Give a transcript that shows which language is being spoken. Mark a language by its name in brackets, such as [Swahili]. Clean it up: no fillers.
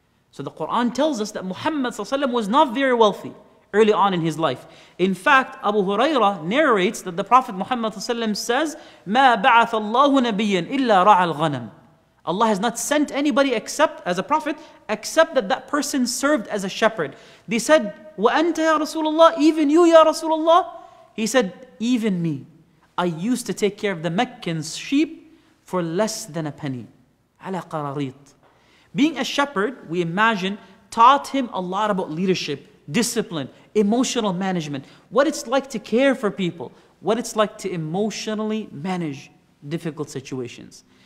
[English] So the Quran tells us that Muhammad ﷺ was not very wealthy early on in his life. In fact, Abu Hurairah narrates that the Prophet Muhammad ﷺ says, [Arabic] مَا بَعَثَ اللَّهُ نَبِيًّا إِلَّا رَعَى الْغَنَمِ. [English] Allah has not sent anybody except as a prophet, except that that person served as a shepherd. They said, [Arabic] وَأَنْتَ يَا رَسُولَ اللَّهِ. [English] Even you, [Arabic] يَا رَسُولَ اللَّهِ. [English] He said, even me. I used to take care of the Meccan sheep for less than a penny. [Arabic] عَلَى قَرَارِيط. [English] Being a shepherd, we imagine, taught him a lot about leadership, discipline, emotional management, what it's like to care for people, what it's like to emotionally manage difficult situations.